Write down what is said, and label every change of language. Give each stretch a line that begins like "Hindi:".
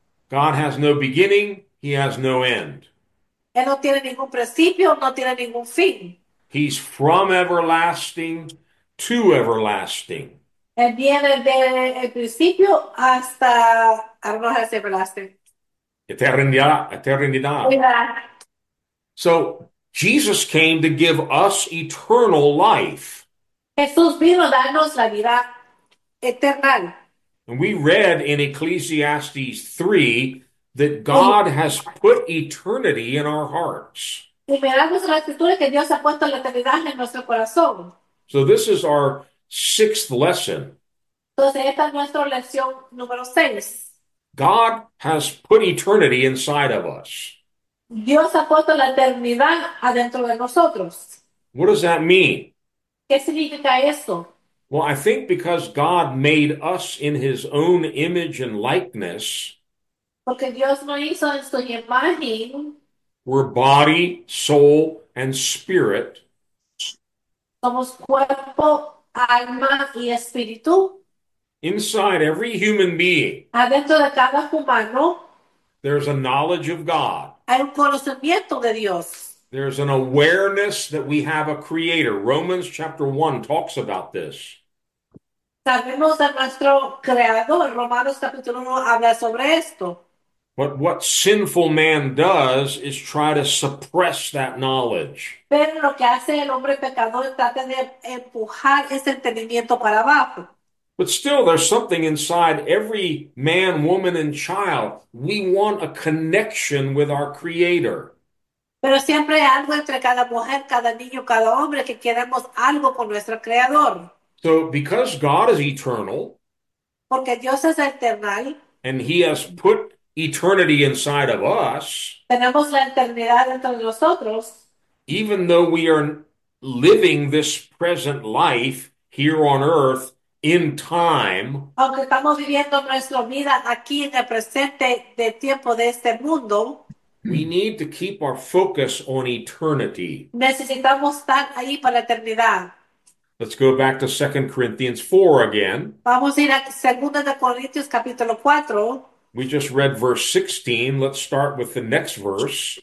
English: God has no beginning, he has no end.
Spanish: Él no tiene ningún principio, no tiene ningún fin.
English: He's from everlasting to everlasting.
Spanish: Él viene del principio hasta arrojarse el blaster. Eternidad, eternidad.
English: So Jesus came to give us eternal life.
Spanish: Jesús vino a darnos la vida eterna.
English: And we read in Ecclesiastes 3 that
Spanish: Y
English: God has put eternity in our hearts.
Spanish: miramos la escritura que Dios ha puesto la eternidad en nuestro corazón.
English: So this is our sixth lesson.
Spanish: Entonces, esta es nuestra lección número 6.
English: God has put eternity inside of us.
Spanish: Dios ha puesto la eternidad adentro de nosotros.
English: What does that mean?
Spanish: ¿Qué significa eso?
English: Well, I think because God made us in his own image and likeness,
Spanish: Porque Dios no hizo en su imagen.
English: we're body, soul, and spirit.
Spanish: Somos cuerpo, alma y espíritu.
English: Inside every human being,
Spanish: Adentro de cada humano
English: there's a knowledge of God.
Spanish: hay un conocimiento de Dios.
English: There's an awareness that we have a creator. Romans chapter 1 talks about this.
Spanish: Sabemos de nuestro creador. Romanos capítulo 1 habla sobre esto.
English: But what sinful man does is try to suppress that knowledge.
Spanish: Pero lo que hace el hombre pecador es tratar de empujar ese entendimiento para abajo.
English: But still, there's something inside every man, woman, and child. We want a connection with our creator.
Spanish: Pero siempre hay algo entre cada mujer, cada niño, cada hombre que queremos algo con nuestro creador.
English: So, because God is eternal
Spanish: Porque Dios es eterno.
English: and he has put eternity inside of us,
Spanish: Tenemos la eternidad dentro de nosotros.
English: even though we are living this present life here on earth in time,
Spanish: Aunque estamos viviendo nuestra vida aquí en el presente de tiempo de este mundo.
English: we need to keep our focus on eternity.
Spanish: Necesitamos estar ahí para la eternidad.
English: Let's go back to 2 Corinthians 4 again.
Spanish: Vamos a ir a Segunda de Corintios capítulo 4.
English: We just read verse 16. Let's start with the next verse.